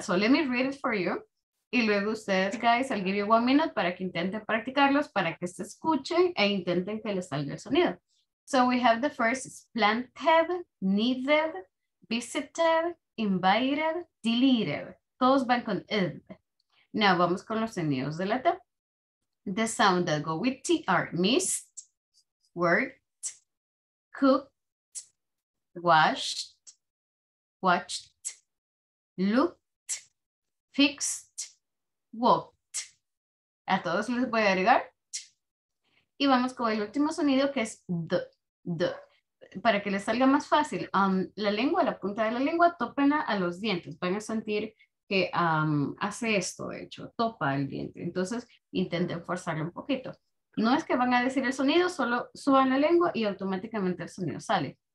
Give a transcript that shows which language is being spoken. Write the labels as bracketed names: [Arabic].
[English] So, let me read it for you. [Spanish] Y luego ustedes, guys, [English] I'll give you 1 minute [Spanish] para que intenten practicarlos, para que se escuchen e intenten que les salga el sonido. [English] So, we have the first is planted, needed, visited, invited, deleted. [Spanish] Todos van con ed. Now, vamos con los sonidos de la t. [English] The sound that go with t are missed, word, cooked, washed, watched, looked, fixed, walked. [Spanish] A todos les voy a agregar. Y vamos con el último sonido que es d, d. Para que les salga más fácil, la lengua, la punta de la lengua, tópenla a los dientes. Van a sentir que hace esto, de hecho, topa el diente. Entonces, intenten forzarlo un poquito. No es que van a decir el sonido, solo suban la lengua y automáticamente el sonido sale.